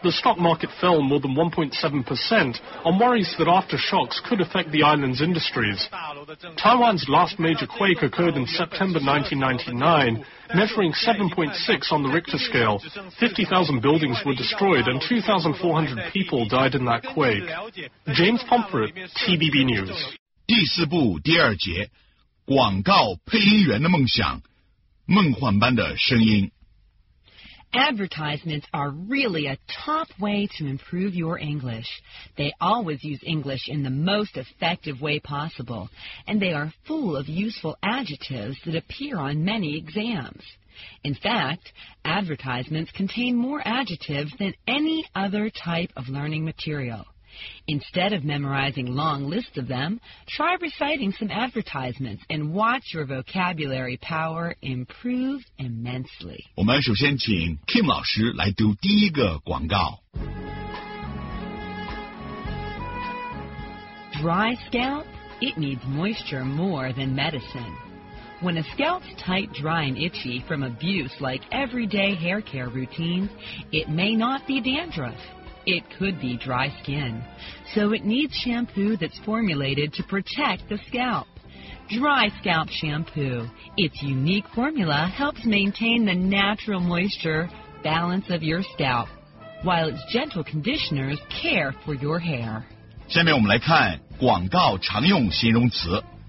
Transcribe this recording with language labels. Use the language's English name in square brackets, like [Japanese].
[English] The stock market fell more than 1.7% on worries that aftershocks could affect the island's industries. Taiwan's last major quake occurred in September 1999, measuring 7.6 on the Richter scale. 50,000 buildings were destroyed and 2,400 people died in that quake. James Pomfret, TBB News. [Chinese] 第四部第二节, 广告配音员的梦想, 梦幻般的声音. [English] Advertisements are really a top way to improve your English. They always use English in the most effective way possible, and they are full of useful adjectives that appear on many exams. In fact, advertisements contain more adjectives than any other type of learning material. Instead of memorizing long lists of them, try reciting some advertisements and watch your vocabulary power improve immensely. [Chinese] 我们首先请Kim老师来读第一个广告。 [English] Dry scalp? It needs moisture more than medicine. When a scalp's tight, dry, and itchy from abuse like everyday hair care routines, it may not be dandruff. It could be dry skin. So it needs shampoo that's formulated to protect the scalp. Dry Scalp Shampoo. Its unique formula helps maintain the natural moisture balance of your scalp, while its gentle conditioners care for your hair. [Chinese] 下面我们来看广告常用形容词.